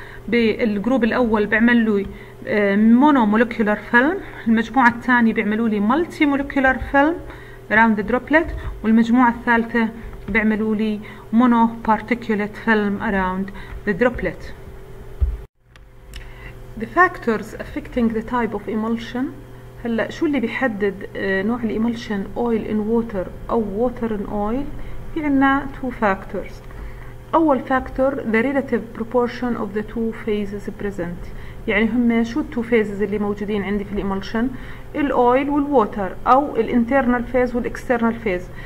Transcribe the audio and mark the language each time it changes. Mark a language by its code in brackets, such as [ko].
[ar] بالجروب الاول بيعمل له مونو مولكيولر فيلم، المجموعه الثانيه بيعملوا لي مالتي مولكيولر فيلم اراوند ذا دروبلت، والمجموعه الثالثه بيعملوا لي مونو بارتيكولات فيلم اراوند ذا دروبلت. [en] The factors affecting the type of emulsion. [ar] هلأ شو اللي بيحدد نوع الإيمولشن oil in water أو water in oil؟ في عنا two factors. [en] أول factor the relative proportion of the two phases present. [ar] يعني هم شو two phases اللي موجودين عندي في الإيمولشن؟ الoil والwater أو الinternal phase والexternal phase.